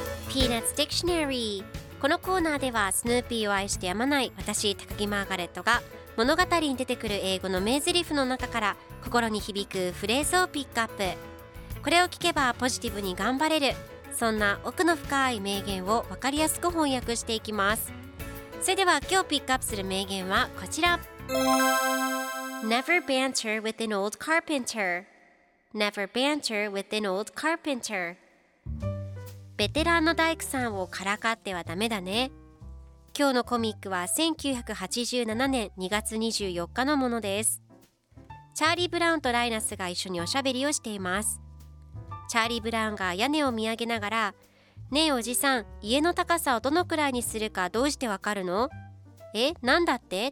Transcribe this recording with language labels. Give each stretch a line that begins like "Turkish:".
Japanese: ピーナッツ・ディクショナリー。このコーナーではスヌーピーを愛してやまない私、高木マーガレットが物語に出てくる英語の名台詞の中から心に響くフレーズをピックアップ。これを聞けばポジティブに頑張れる、そんな奥の深い名言を分かりやすく翻訳していきます。それでは今日ピックアップする名言はこちら。
English: Never banter with an old carpenter. Never banter with an old carpenter.
Japanese: ベテランの大工さんをからかってはダメだね。今日のコミックは1987年2月24日のものです。チャーリー・ブラウンとライナスが一緒におしゃべりをしています。チャーリー・ブラウンが屋根を見上げながら、ねえおじさん、家の高さをどのくらいにするかどうしてわかるの？え、なんだって？